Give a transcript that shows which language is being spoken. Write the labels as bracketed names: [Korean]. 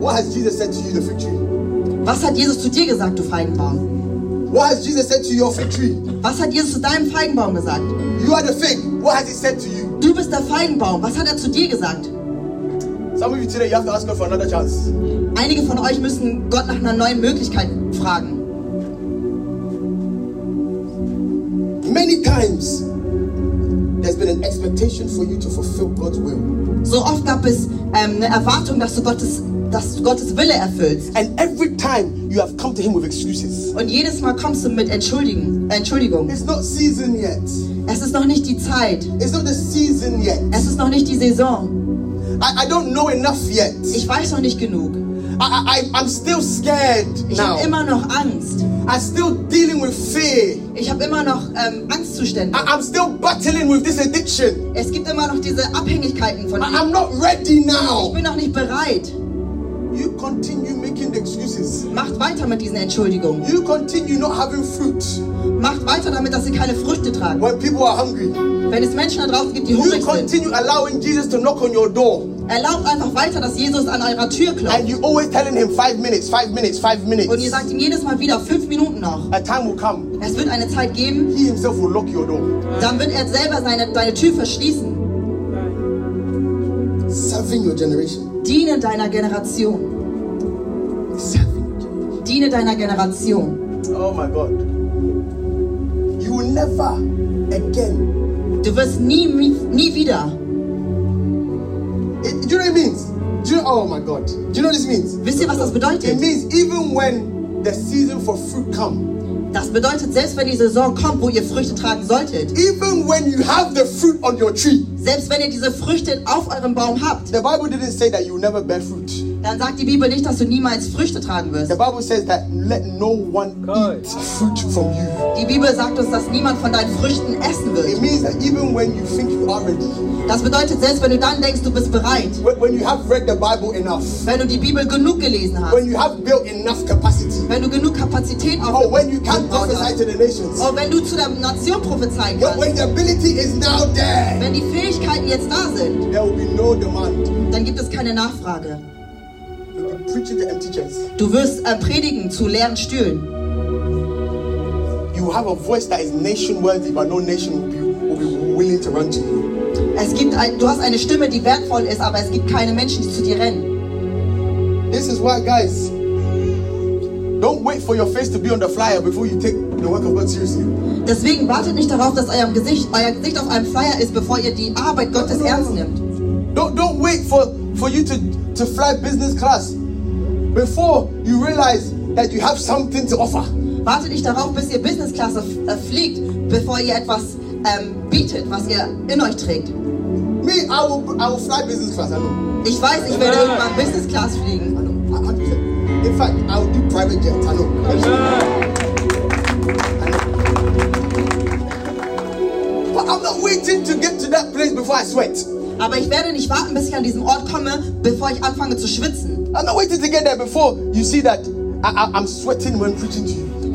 [English] What has Jesus said to you, the fig tree? [German] Was hat Jesus zu dir gesagt, du Feigenbaum? [English] What has Jesus said to your fig tree? [German] Was hat Jesus zu deinem Feigenbaum gesagt? [English] You are the fig. What has he said to you? [German] Du bist der Feigenbaum. Was hat er zu dir gesagt? [English] Some of you today, you have to ask God for another chance. [German] Einige von euch müssen Gott nach einer neuen Möglichkeit fragen. [English] Many times there's been an expectation for you to fulfill God's will. [German] So oft gab es eine Erwartung, dass du Gottes Wille erfüllst. [English] And every time you have come to him with excuses. [German] Und jedes Mal kommst du mit Entschuldigung. [English] It's not season yet. [German] Es ist noch nicht die Zeit. [English] It's not the season yet. [German] Es ist noch nicht die Saison. [English] I don't know enough yet. [German] Ich weiß noch nicht genug. [English] I'm still scared [German] now. Ich habe immer noch Angst. [English] I'm still dealing with fear. [German] Ich habe immer noch Angstzustände. [English] I'm still battling with this addiction. [German] Es gibt immer noch diese Abhängigkeiten von [English] I'm not ready now. [German] Ich bin noch nicht bereit. [English] You continue making the excuses. [German] Macht weiter mit diesen Entschuldigungen. [English] You continue not having fruit. [German] Macht weiter damit, dass sie keine Früchte tragen. [English] When people are hungry. [German] Wenn es Menschen da draußen gibt, die hungrig sind. [English] You continue allowing Jesus to knock on your door. [German] Erlaubt einfach weiter, dass Jesus an eurer Tür klopft. [English] And you always telling him 5 minutes, 5 minutes, 5 minutes. [German] Und ihr sagt ihm jedes Mal wieder 5 Minuten noch. [English] A time will come. [German] Es wird eine Zeit geben. [English] He himself will lock your door. [German] Dann wird er selber deine Tür verschließen. [English] Serving your generation. [German] Diene deiner Generation. Diene deiner Generation. [English] Oh my God. You will never again. [German] Du wirst nie wieder. [English] Do you know what it means? Oh my God. Do you know what this means? [German] Wisst ihr, was das bedeutet? [English] It means even when the season for fruit comes. [German] Das bedeutet, selbst wenn die Saison kommt, wo ihr Früchte tragen solltet. [English] Even when you have the fruit on your tree. [German] Selbst wenn ihr diese Früchte auf eurem Baum habt. [English] The Bible didn't say that you never bear fruit. [German] Dann sagt die Bibel nicht, dass du niemals Früchte tragen wirst. [English] The Bible says that let no one eat fruit from you. [German] Die Bibel sagt uns, dass niemand von deinen Früchten essen wird. [English] It means that even when you think you are ready. [German] Das bedeutet, selbst wenn du dann denkst, du bist bereit. [English] When you have read the Bible enough. [German] Wenn du die Bibel genug gelesen hast. [English] When you have built enough capacity. [German] Wenn du genug Kapazität aufgebaut hast. [English] Or when you can prophesy to the nations. [German] Oder wenn du zu der Nation prophezeien kannst. [English] When the ability is now there. [German] Wenn die Fähigkeiten jetzt da sind. [English] There will be no demand. [German] Dann gibt es keine Nachfrage. [English] Preaching to empty chairs. [German] Du wirst predigen zu leeren Stühlen. [English] You have a voice that is nation worthy, but no nation will be willing to run to you. [German] Du hast eine Stimme, die wertvoll ist, aber es gibt keine Menschen, die zu dir rennen. [English] This is why, guys, don't wait for your face to be on the flyer before you take the work of God seriously. [German] Deswegen wartet nicht darauf, dass euer Gesicht auf einem Flyer ist, bevor ihr die Arbeit Gottes ernst nimmt. [English] Don't wait for you to fly business class. Before you realize that you have something to offer. [German] Wartet nicht darauf, bis ihr Business Class fliegt, bevor ihr etwas bietet, was ihr in euch trägt. [English] Me, I will fly Business Class. Hallo. [German] Ich weiß, ich werde irgendwann Business Class fliegen. [English] Hallo. In fact, I will do private jet. Hallo. But I'm not waiting to get to that place before I sweat. [German] Aber ich werde nicht warten, bis ich an diesem Ort komme, bevor ich anfange zu schwitzen. [English] I'm not waiting to get there before you see that I'm sweating when preaching to you.